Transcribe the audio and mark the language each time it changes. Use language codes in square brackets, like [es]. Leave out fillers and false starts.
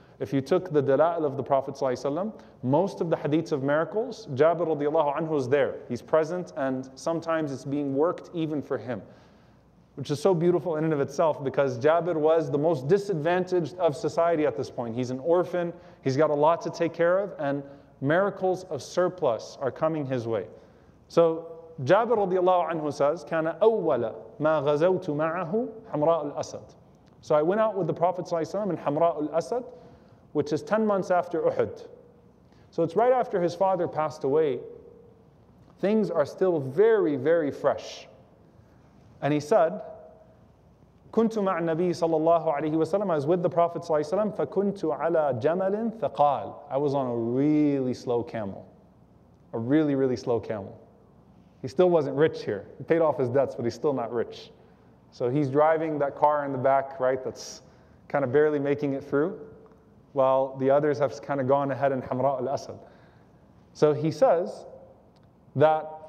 [en] If you took the dala'il of the Prophet ﷺ, most of the hadiths of miracles, Jabir radiallahu anhu is there. He's present, and sometimes it's being worked even for him, which is so beautiful in and of itself, because Jabir was the most disadvantaged of society at this point. He's an orphan, he's got a lot to take care of, and miracles of surplus are coming his way. So Jabir radiallahu anhu says, [ar] كَانَ أَوَّلَ مَا غَزَوْتُ مَعَهُ حَمْرَاءُ الْأَسَدِ. [en] So I went out with the Prophet ﷺ in حَمْرَاءُ الْأَسَدِ, which is 10 months after Uhud. So it's right after his father passed away. Things are still very, very fresh. And he said, [ar] كُنْتُ مَعَ النَّبِيِّ صَلَى اللَّهُ عَلَيْهِ وَسَلَمَ. [en] I was with the Prophet [ar] صلى الله عليه وسلم. فَكُنْتُ عَلَى جَمَلٍ ثَقَالٍ. [en] I was on a really slow camel. A really, really slow camel. He still wasn't rich here. He paid off his debts, but he's still not rich. So he's driving that car in the back, right, that's kind of barely making it through, while the others have kind of gone ahead in حَمْرَاءُ الْأَسَدِ. So he says that